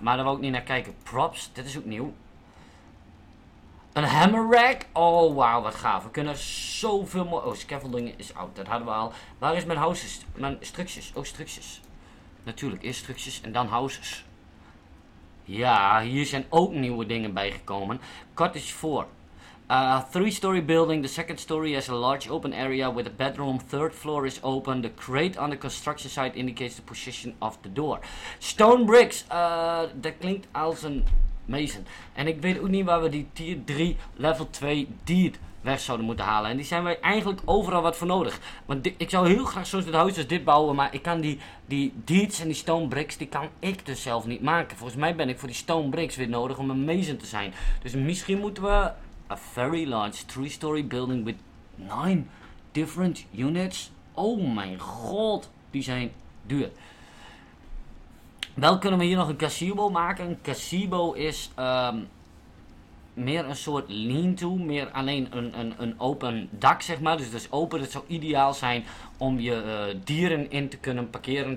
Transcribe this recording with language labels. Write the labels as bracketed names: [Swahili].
[Dutch] Maar daar wou ik niet naar kijken. Props. Dit is ook nieuw. Een hammer rack. Oh wow, wat gaaf. We kunnen zoveel mooie. [English] Oh, scaffolding is out. [Dutch] Dat hadden we al. Waar is mijn houses? Mijn structures. Oh, structures. Natuurlijk, eerst structures en dan houses. Ja, hier zijn ook nieuwe dingen bijgekomen. Cottage 4. [English] A 3-story building, the second story has a large open area with a bedroom, third floor is open, the crate on the construction site indicates the position of the door. [Dutch] Stone bricks, dat klinkt als een mason. En ik weet ook niet waar we die tier 3, level 2 deed weg zouden moeten halen. En die zijn wij eigenlijk overal wat voor nodig. Want ik zou heel graag zo'n soort huis als dit bouwen, maar ik kan die deeds en die stone bricks, die kan ik dus zelf niet maken. Volgens mij ben ik voor die stone bricks weer nodig om een mason te zijn. Dus misschien moeten we... [English] A very large 3-story building with 9 different units. [Dutch] Oh mijn god, die zijn duur. Wel kunnen we hier nog een casibo maken. Een casibo is meer een soort lean-to. Meer alleen een open dak, zeg maar. Dus het is open. Het zou ideaal zijn om je dieren in te kunnen parkeren.